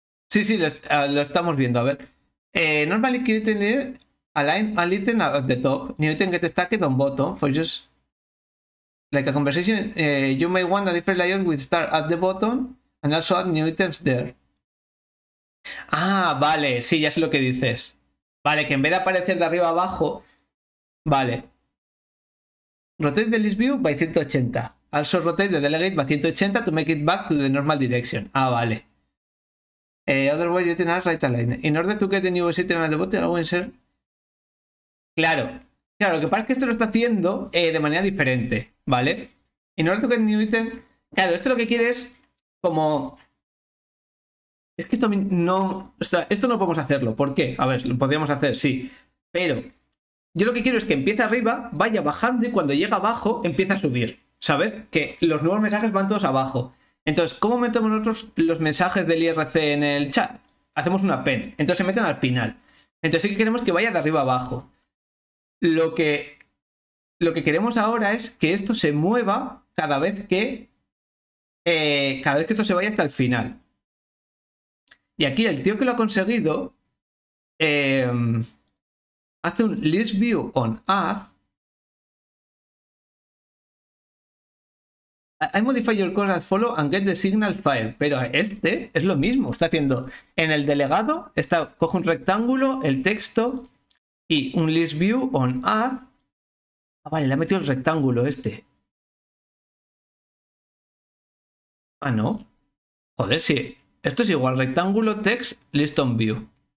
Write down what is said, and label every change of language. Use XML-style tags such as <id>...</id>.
<es>Sí, lo estamos viendo. A ver.</es> <en>Normally you can align all items at the top. New item get stacked on bottom. For just like a conversation, you may want a different layout with start at the bottom and also add new items there.</en> <es>Ah, vale. Sí, ya sé lo que dices. Vale, que en vez de aparecer de arriba abajo. Vale.</es> <en>Rotate the list view by 180. Also rotate the delegate by 180 to make it back to the normal direction.</en> <es>Ah, vale.</es> <en>Otherwise, you can right align. In order to get the new system at the bottom, I will insert.</en> <es>Claro. Claro, lo que pasa es que esto lo está haciendo de manera diferente. ¿Vale?</es> <en>In order to get the new item.</en> <es>Claro, esto lo que quiere es como. Es que esto no. Esto no podemos hacerlo. ¿Por qué? A ver, lo podríamos hacer, sí. Pero. Yo lo que quiero es que empiece arriba, vaya bajando y cuando llega abajo, empiece a subir. ¿Sabes? Que los nuevos mensajes van todos abajo. Entonces, ¿cómo metemos nosotros los mensajes del IRC en el chat? Hacemos una append. Entonces se meten al final. Entonces sí que queremos que vaya de arriba abajo. Lo que queremos ahora es que esto se mueva cada vez que. Cada vez que esto se vaya hasta el final. Y aquí el tío que lo ha conseguido. Hace un list view on add.</es> <en>I modify your code as follow and get the signal fire.</en> <es>Pero este es lo mismo. Está haciendo en el delegado. Coge un rectángulo, el texto y un list view on add. Ah, vale, le ha metido el rectángulo este. Ah, no. Joder, sí. Esto es igual. Rectángulo, text, list on view.</es>